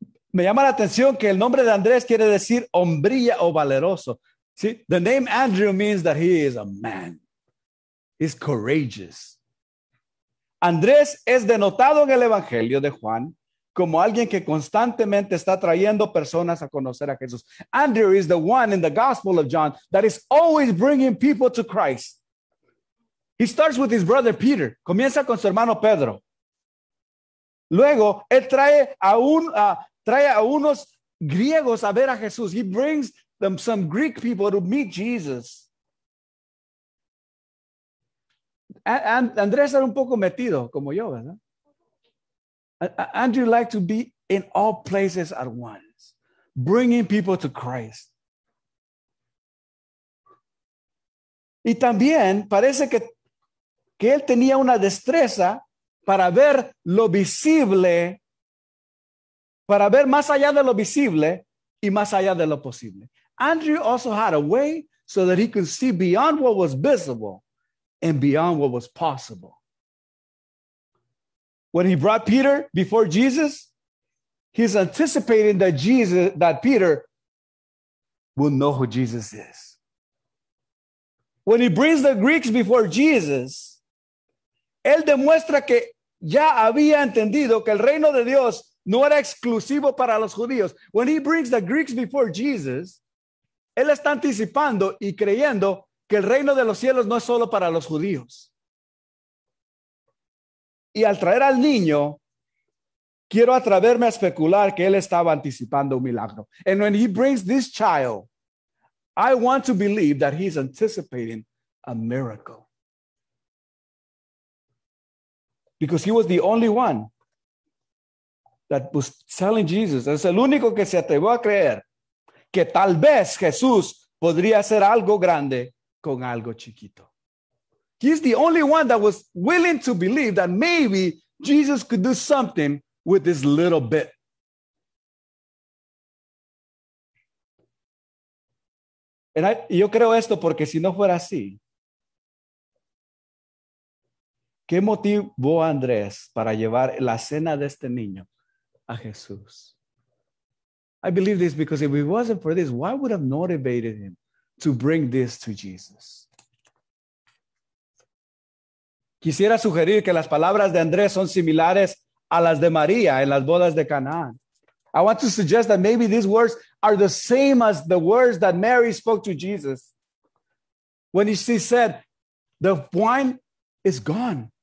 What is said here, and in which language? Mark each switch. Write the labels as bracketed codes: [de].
[es] Me llama la atención que el nombre de Andrés quiere decir hombría o valeroso. [en] See, the name Andrew means that he is a man. He's courageous. [es] Andrés es denotado en el Evangelio de Juan como alguien que constantemente está trayendo personas a conocer a Jesús. [en] Andrew is the one in the Gospel of John that is always bringing people to Christ. He starts with his brother Peter. [es] Comienza con su hermano Pedro. Luego, él trae a unos griegos a ver a Jesús. [en] He brings them some Greek people to meet Jesus. [es] Andrés era un poco metido, como yo, ¿verdad? [en] Andrew liked to be in all places at once, bringing people to Christ. [es] Y también parece que él tenía una destreza para ver lo visible, para ver más allá de lo visible y más allá de lo posible. [en] Andrew also had a way so that he could see beyond what was visible and beyond what was possible. When he brought Peter before Jesus, he's anticipating that Peter will know who Jesus is. When he brings the Greeks before Jesus, [es] él demuestra que ya había entendido que el reino de Dios no era exclusivo para los judíos. [en] When he brings the Greeks before Jesus, [es] él está anticipando y creyendo que el reino de los cielos no es solo para los judíos. Y al traer al niño, quiero atreverme a especular que él estaba anticipando un milagro. [en] And when he brings this child, I want to believe that he's anticipating a miracle. Because he was the only one that was telling Jesus. [es] Es el único que se atrevió a creer que tal vez Jesús podría hacer algo grande con algo chiquito. [en] He's the only one that was willing to believe that maybe Jesus could do something with this little bit. [es] Yo creo esto porque si no fuera así, ¿qué motivó a Andrés para llevar la cena de este niño a Jesús? [en] I believe this because if it wasn't for this, why would have motivated him to bring this to Jesus? [es] Quisiera sugerir que las palabras de Andrés son similares a las de María en las bodas de Canaán. [en] I want to suggest that maybe these words are the same as the words that Mary spoke to Jesus when she said, the wine is gone.